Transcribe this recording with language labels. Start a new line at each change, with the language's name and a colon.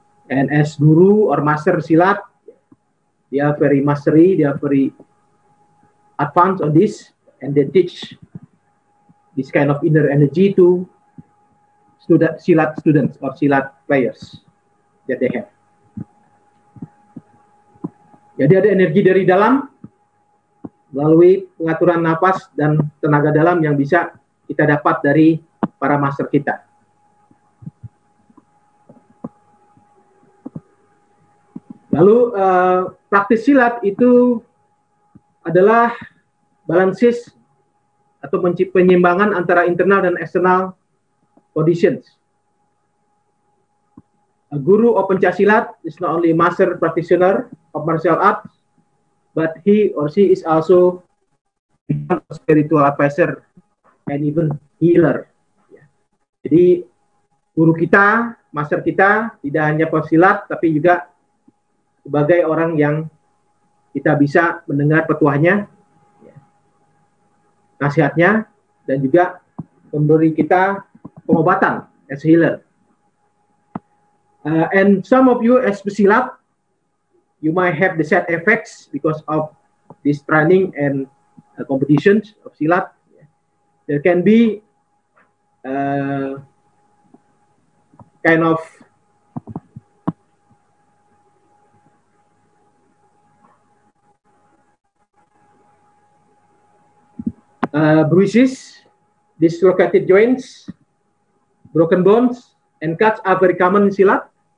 English: And as guru or master silat, they are very mastery, they are very advanced on this, and they teach this kind of inner energy to silat students or silat players that they have.
Indonesian: Jadi ada energi dari dalam melalui pengaturan napas dan tenaga dalam yang bisa kita dapat dari para master kita. Lalu praktis silat itu adalah balansis atau penyimbangan antara internal dan
English: external conditions. A guru of pencaksilat is not only master practitioner of martial arts, but he or she is also a spiritual advisor and even healer.
Indonesian: Jadi guru kita, master kita tidak hanya pesilat tapi juga sebagai orang yang kita bisa mendengar petuahnya, nasihatnya, dan juga memberi kita pengobatan
English: as healer. And some of you as pesilat, you might have the side effects because of this training and competitions of silat. There can be kind of bruises, dislocated joints, broken bones, and cuts are very common in silat.